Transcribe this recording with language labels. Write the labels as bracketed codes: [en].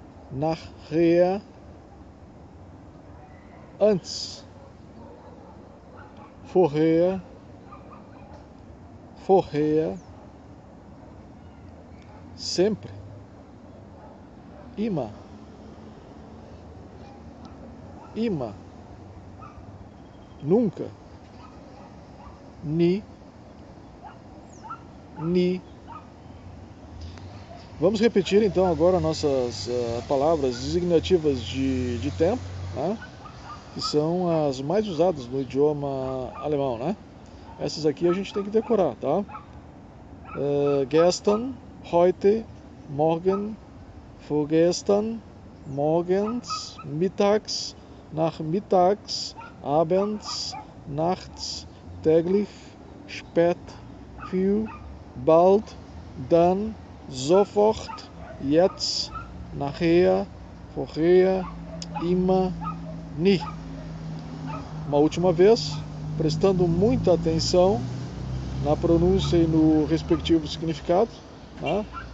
[de] Nachher, [pt] antes, [de] vorher, vorher, [pt] sempre, [de] immer, immer, [pt] nunca, [de] nie, nie. [pt] Vamos repetir então agora nossas palavras designativas de tempo, né? Que são as mais usadas no idioma alemão, né? Essas aqui a gente tem que decorar, tá? [de] Gestern, heute, morgen, vorgestern, morgens, mittags, nachmittags, abends, nachts, täglich, spät, früh, bald, dann. Sofort, jetzt, nachher, vorher, immer, nie. [pt] Uma última vez, prestando muita atenção na pronúncia e no respectivo significado, né?